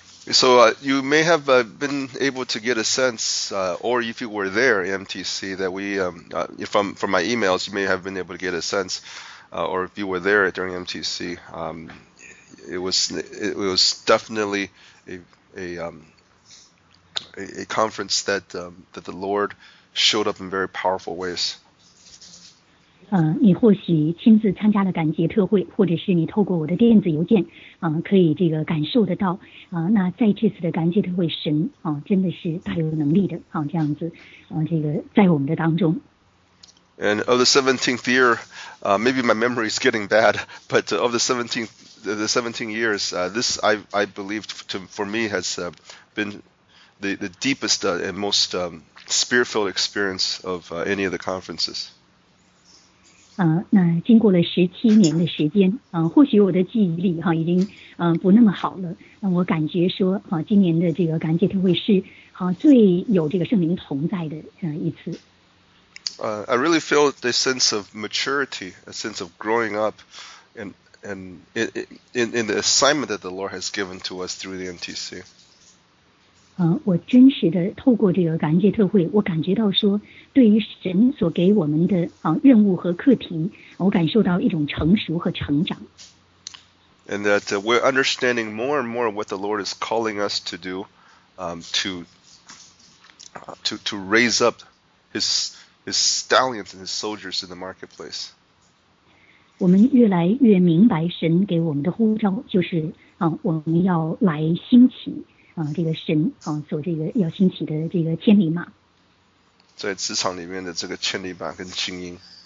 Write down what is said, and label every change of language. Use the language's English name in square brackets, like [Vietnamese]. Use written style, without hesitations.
[English] So you may have been able to get a sense, or if you were there, MTC, that we, from my emails, you may have been able to get a sense, or if you were there during MTC, it was definitely a conference that the Lord showed up in very powerful ways. [Chinese] 你或许亲自参加了感恩节特会，或者是你透过我的电子邮件，可以这个感受得到。那在这次的感恩节特会，神真的是大有能力的。这样子，这个在我们的当中。 [English] And of the 17th year, maybe my memory is getting bad, but of the 17 years, this I believe for me has been. The deepest and most spirit-filled experience of any of the conferences. [Chinese] 那经过了17年的时间，或许我的记忆力已经不那么好了。那我感觉说，今年的这个感恩节特会是最有这个圣灵同在的一次。 [English] I really feel the sense of maturity, a sense of growing up, and in the assignment that the Lord has given to us through the MTC. [Chinese] 我真实的透过这个感恩节特会，我感觉到说对于神所给我们的任务和课题，我感受到一种成熟和成长。 [English] And that we're understanding more and more what the Lord is calling us to do, to raise up his stallions and his soldiers in the marketplace. [Chinese] 我们越来越明白神给我们的呼召，就是我们要来兴起这个神所这个要兴起的这个千里马。在职场里面的这个千里马跟精英。